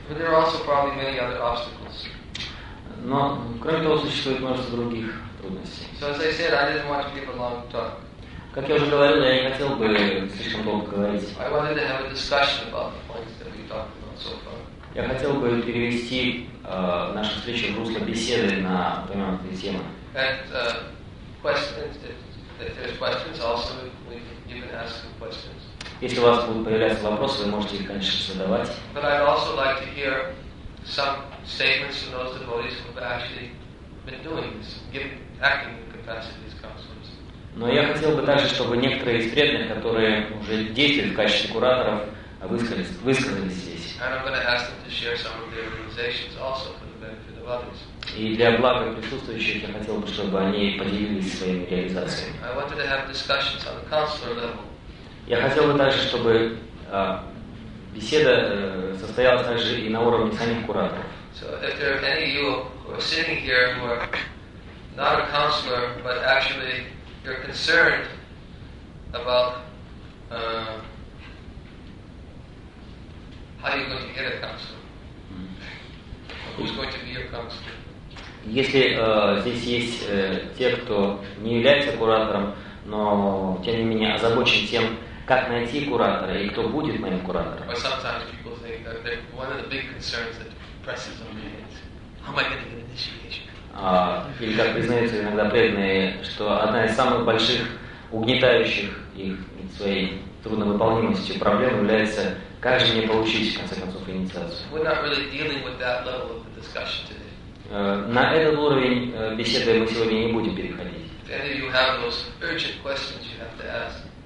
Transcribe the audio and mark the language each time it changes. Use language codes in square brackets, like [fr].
[en] But there are also probably many other obstacles. [ru] Но кроме того, существует множество других трудностей. [en] So as I said, I didn't want to give a long talk. [ru] Как я уже говорил, я не хотел бы слишком долго говорить. [en] I wanted to have a discussion about the points that we talked about so far. [ru] Я хотел бы перевести нашу встречу в русло беседы на упомянутые темы. [en] And questions, if there's questions, also we can even ask some questions. [ru] Если у вас будут появляться вопросы, вы можете их, конечно, задавать. [en] But I'd also like to hear some statements from those devotees who have actually been doing this, acting in the capacity as counselors. [ru] Но я хотел бы также, чтобы некоторые из преданных, которые уже действуют в качестве кураторов, высказались здесь. [en] And I'm going to ask them to share some of their realizations also for the benefit of others. [ru] И для блага присутствующих я хотел бы, чтобы они поделились своими реализациями. [en] I wanted to have discussions on the counselor level. [ru] Я хотел бы также, чтобы беседа состоялась также и на уровне самих кураторов. [en] So if there are any of you who are sitting here who are not a counselor, but actually you're concerned about how you're going to get a counselor. Who's going to be your counselor? [ru] Если здесь есть те, кто не является куратором, но тем не менее озабочен тем, как найти куратора и кто будет моим куратором. [en] Or sometimes people think that one of the big concerns that presses on me is how am I going to get initiation? [ru] Или как признаются иногда преданные, что одна из самых больших угнетающих их своей трудновыполнимостью проблем является, как же мне получить в конце концов инициацию. [en] We're not really dealing with that level of the discussion today. [ru] На этот уровень беседы мы сегодня не будем переходить. [en] If any of you have those urgent questions you have to ask.